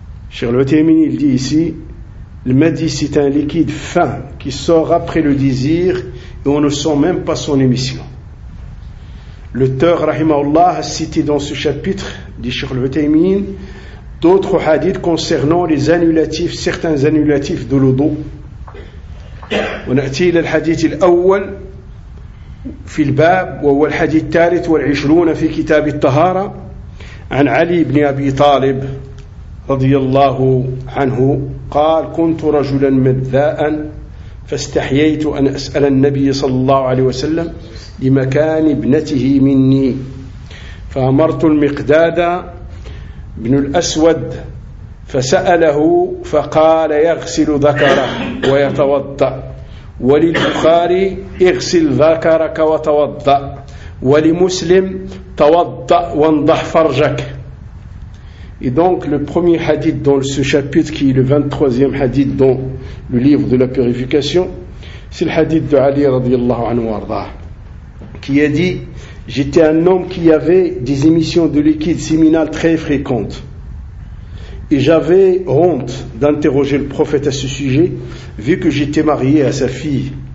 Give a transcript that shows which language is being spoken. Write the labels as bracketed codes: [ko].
[fr] Cheikh Al-Uthaymeen, il dit ici, le madi, c'est un liquide fin qui sort après le désir et on ne sent même pas son émission. L'auteur, rahimahullah, a cité dans ce chapitre, dit Cheikh Al-Uthaymeen, d'autres hadiths concernant les annulatifs, certains annulatifs de l'eau d'eau. On a dit le hadith [ar] l'awwal fi l'bab, [fr] ou le hadith tarit ou l'ishlouna fi kitab al-tahara, an Ali ibn Abi Talib, radiyallahu anhu, [ar] قال كنت رجلا مدذاء فاستحييت أن أسأل النبي صلى الله عليه وسلم لمكان ابنته مني، فأمرت المقداد بن الأسود فسأله فقال يغسل ذكره ويتوضأ، وللبخاري اغسل ذكرك وتوضأ، ولمسلم توضأ وانضح فرجك. [fr] Et donc le premier hadith dans ce chapitre, qui est le 23e hadith dans le livre de la purification, c'est le hadith de Ali radiyallahu anhu arda, qui a dit: j'étais un homme qui avait des émissions de liquide séminal très fréquentes, et j'avais honte d'interroger le prophète à ce sujet vu que j'étais marié à sa fille.